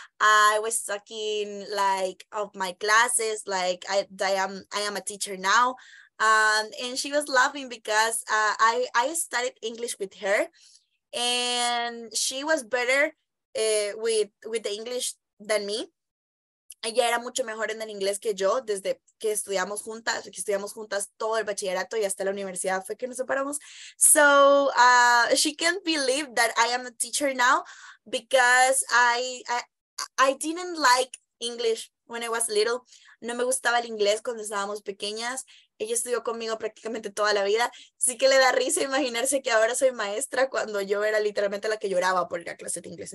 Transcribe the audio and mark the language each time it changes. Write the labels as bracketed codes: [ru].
[en] I was talking like of my classes, like I am a teacher now. And she was laughing because I studied English with her, and she was better with the English than me. [es] Ella era mucho mejor en el inglés que yo desde que estudiamos juntas todo el bachillerato y hasta la universidad fue que nos separamos. [en] So she can't believe that I am a teacher now because I didn't like English when I was little. [es] No me gustaba el inglés cuando estábamos pequeñas. Ella estudió conmigo prácticamente toda la vida. Sí que le da risa imaginarse que ahora soy maestra cuando yo era literalmente la que lloraba por la clase de inglés.